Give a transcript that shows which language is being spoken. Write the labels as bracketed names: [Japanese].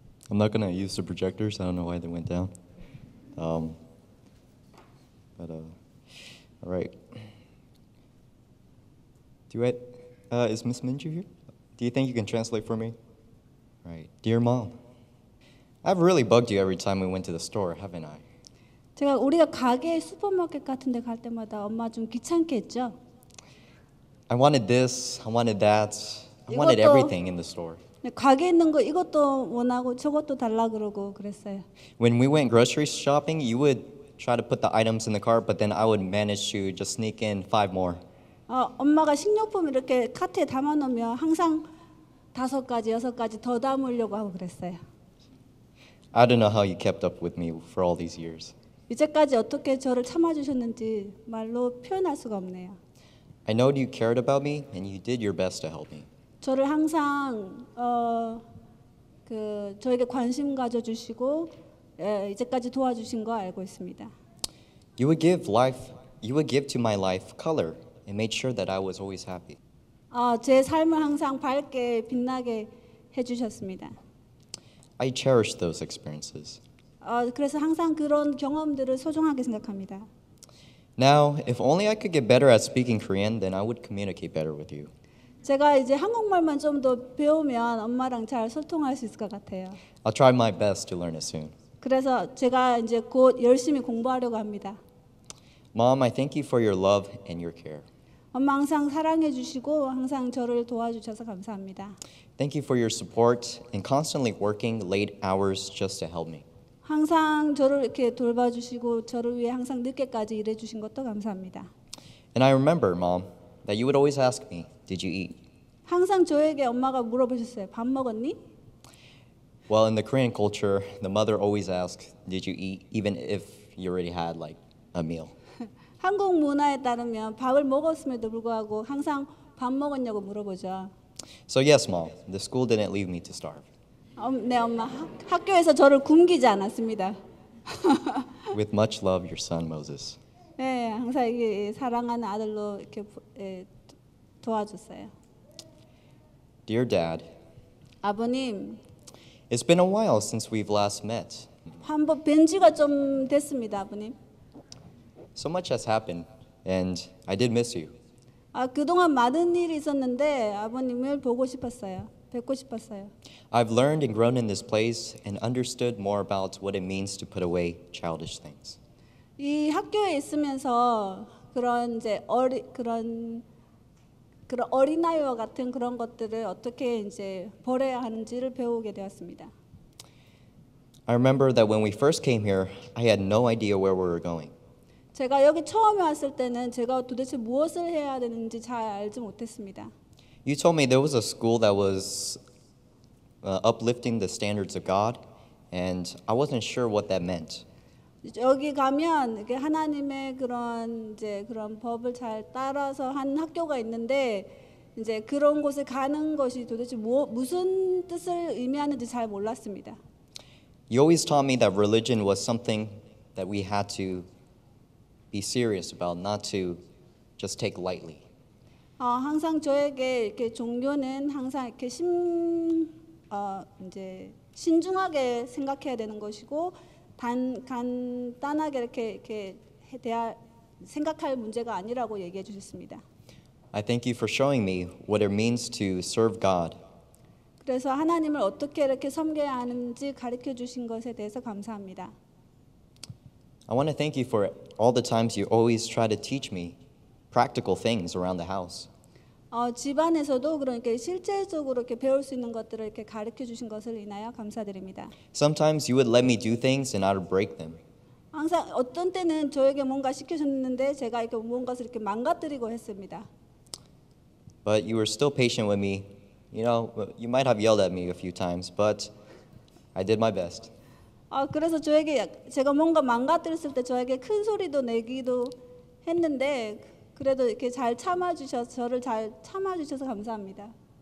[English] I'm not gonna use the projectors. I don't know why they went down. All right. Is Miss Minju here? Do you think you can translate for me? Right. Dear Mom, I've really bugged you every time we went to the store, haven't I? [Korean] 제가 우리가 가게 슈퍼마켓 같은데 갈 때마다 엄마 좀 귀찮게 했죠? [English] I wanted this. I wanted that. I wanted everything in the store. [Korean] 가게 있는 거 이것도 원하고 저것도 달라 그러고 그랬어요. [English] When we went grocery shopping, you would try to put the items in the cart, but then I would manage to just sneak in 5 more. [Korean] 엄마가 식료품 이렇게 카트에 담아놓으면 항상 다섯 가지, 여섯 가지 더 담으려고 하고 그랬어요. [English] I don't know how you kept up with me for all these years. [Korean] 이제까지 어떻게 저를 참아주셨는지 말로 표현할 수가 없네요. [English] I know you cared about me and you did your best to help me. [Korean] 저를 항상 저에게 관심 가져주시고 이제까지 도와주신 거 알고 있습니다. [English] You would give life, you would give to my life color. And made sure that I was always happy. [Korean] 제 삶을 항상 밝게 빛나게 해주셨습니다. [English] I cherish those experiences. [Korean] 그래서 항상 그런 경험들을 소중하게 생각합니다. [English] Now, if only I could get better at speaking Korean, then I would communicate better with you. [Korean] 제가 이제 한국말만 좀 더 배우면 엄마랑 잘 소통할 수 있을 것 같아요. [English] I'll try my best to learn it soon. [Korean] 그래서 제가 이제 곧 열심히 공부하려고 합니다. [English] Mom, I thank you for your love and your care. [Korean] 엄마 항상 사랑해 주시고 항상 저를 도와주셔서 감사합니다. [English] Thank you for your support and constantly working late hours just to help me. [Korean] 항상 저를 이렇게 돌봐주시고 저를 위해 항상 늦게까지 일해 주신 것도 감사합니다. [English] And I remember, Mom, that you would always ask me, "Did you eat?" [Korean] 항상 저에게 엄마가 물어보셨어요. 밥 먹었니? [English] Well, in the Korean culture, the mother always asks, "Did you eat?" even if you already had like a meal. [Korean] 한국 문화에 따르면 밥을 먹었음에도 불구하고 항상 밥 먹었냐고 물어보죠. [English] So yes, Mom, the school didn't leave me to starve. [Korean] 네, 엄마, 학교에서 저를 굶기지 않았습니다. [English] With much love, your son Moses. [Korean] 네, 항상 사랑하는 아들로 이렇게 도와줬어요. [English] Dear Dad. [Korean] 아버님. [English] It's been a while since we've last met. [Korean] 한번 뵌 지가 좀 됐습니다, 아버님. [English] So much has happened, and I did miss you. [Korean] 아, 그동안 많은 일이 있었는데 아버님을 보고 싶었어요. 뵙고 싶었어요. [English] I've learned and grown in this place and understood more about what it means to put away childish things. [Korean] 이 학교에 있으면서 그런 이제 그런 어린아이와 같은 그런 것들을 어떻게 이제 버려야 하는지를 배우게 되었습니다. [English] I remember that when we first came here, I had no idea where we were going. [Korean] 제가 여기 처음에 왔을 때는 제가 도대체 무엇을 해야 되는지 잘 알지 못했습니다. [English] You told me there was a school that was uplifting the standards of God, and I wasn't sure what that meant. [Korean] 여기 가면 하나님의 그런 이제 그런 법을 잘 따라서 한 학교가 있는데 이제 그런 곳에 가는 것이 도대체 무슨 뜻을 의미하는지 잘 몰랐습니다. [English] You always taught me that religion was something that we had to be serious about, not to just take lightly. [Korean] 항상 저에게 이렇게 종교는 항상 이렇게 이제 신중하게 생각해야 되는 것이고 간단하게 이렇게 생각할 문제가 아니라고 얘기해 주셨습니다. [English] I thank you for showing me what it means to serve God. [Korean] 그래서 하나님을 어떻게 이렇게 섬겨야 하는지 가르쳐 주신 것에 대해서 감사합니다. [English] I want to thank you for all the times you always try to teach me practical things around the house. [Korean] 집안에서도 그러니까 실제적으로 이렇게 배울 수 있는 것들을 이렇게 가르쳐 주신 것을 인하여 감사드립니다. [English] Sometimes you would let me do things and I would break them. [Korean] 항상 어떤 때는 저에게 뭔가 시켜줬는데 제가 이렇게 무언가를 이렇게 망가뜨리고 했습니다. [English] But you were still patient with me. You know, you might have yelled at me a few times, but I did my best. [Korean] 그래서 저에게 제가 뭔가 망가뜨렸을 때 저에게 큰 소리도 내기도 했는데 그래도 이렇게 잘 참아주셔서 저를 잘 참아주셔서 감사합니다.